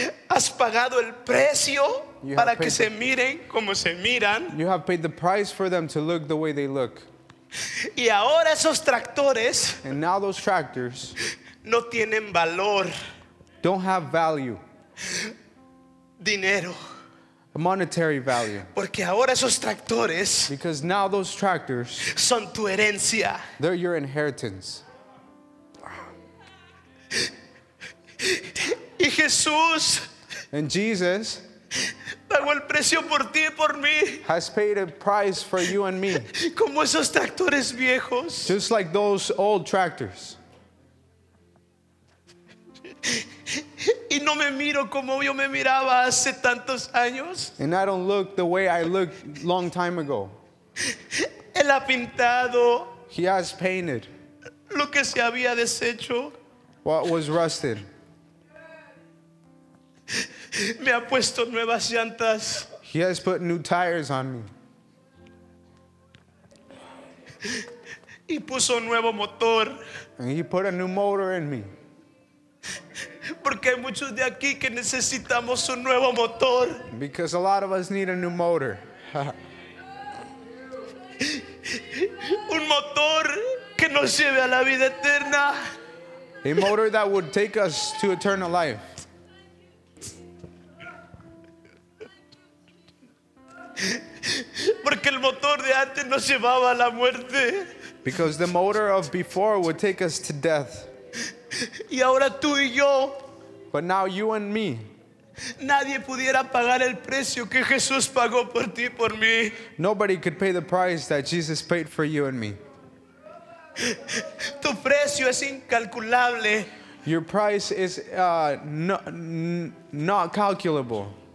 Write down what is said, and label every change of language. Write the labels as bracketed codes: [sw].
[es] Has pagado el precio para que se miren como se miran. [en] You have paid the price for them to look the way they look. [es] Y ahora esos tractores, [en] and now those tractors, [es] no tienen valor. [en] Don't have value. [es] Dinero. [en] A monetary value. [es] Porque ahora esos tractores, [en] because now those tractors, [es] son tu herencia. [en] They're your inheritance. [es] Y Jesús, [en] and Jesus, [es] pagó el precio por ti y por mí, [en] has paid a price for you and me, [es] como esos tractores viejos, [en] just like those old tractors. [es] Y no me miro como yo me miraba hace tantos años. [en] And I don't look the way I looked long time ago. [es] Él ha pintado. [en] He has painted. [es] Lo que se había deshecho. [en] What was rusted. [es] Me ha puesto nuevas llantas. [en] He has put new tires on me. [es] Y puso un nuevo motor. [en] And he put a new motor in me. [es] Porque hay muchos de aquí que necesitamos un nuevo motor. [en] Because a lot of us need a new motor. [es] Un motor que nos lleve a la vida eterna. [en] A motor that would take us to eternal life. [es] Porque el motor de antes nos llevaba a la muerte. [en] Because the motor of before would take us to death. [es] Y ahora tú y yo. [en] But now you and me. [es] Nadie pudiera pagar el precio que Jesús pagó por ti y por mí. [en] Nobody could pay the price that Jesus paid for you and me. [es] Tu precio es incalculable. [en] Your price is not calculable.